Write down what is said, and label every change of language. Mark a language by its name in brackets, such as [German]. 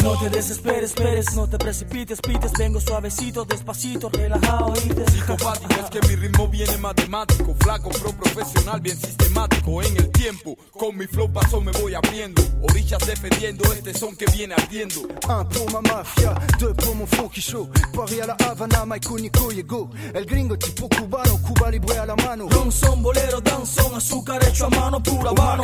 [Spanish] Desesperes, esperes, no te precipites, pites. Vengo suavecito, despacito, relajado y te... Psicopático, es que mi ritmo viene matemático. Flaco, pro profesional, bien sistemático. En el tiempo, con mi flow paso me voy abriendo. Orillas defendiendo este son que viene ardiendo. [French] Un pour ma mafia, deux pour mon funky show. [Spanish] Paris a la Habana, Mike Unico llegó. El gringo tipo cubano, Cuba libre a la mano. Ron son bolero, danzón, azúcar hecho a mano, pura mano.